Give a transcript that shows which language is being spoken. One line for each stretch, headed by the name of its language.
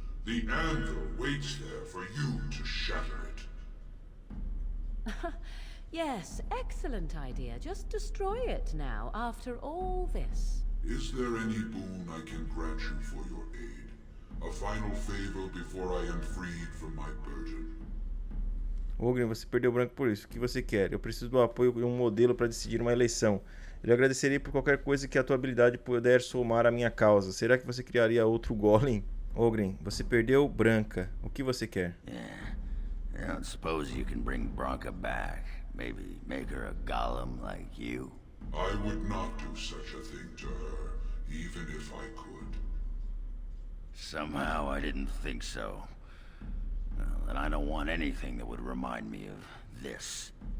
English: The anvil waits there for you to shatter it. Yes, excellent idea. Just destroy it now, after all this. Is there any boon I can grant you for your aid? A final favor before I am freed from my burden?
Portuguese: Ogryn, você perdeu o branco por isso. O que você quer? Eu preciso do apoio de um modelo para decidir uma eleição. Eu agradeceria por qualquer coisa que a tua habilidade puder somar à minha causa. Será que você criaria outro golem? Ogryn, você perdeu branca. O que você quer?
English: Yeah. I don't suppose you can bring Branka back. Maybe make her a golem like you. I would not do such a thing to her, even if I could. Somehow I didn't think so. Well, and I don't want anything that would remind me of this.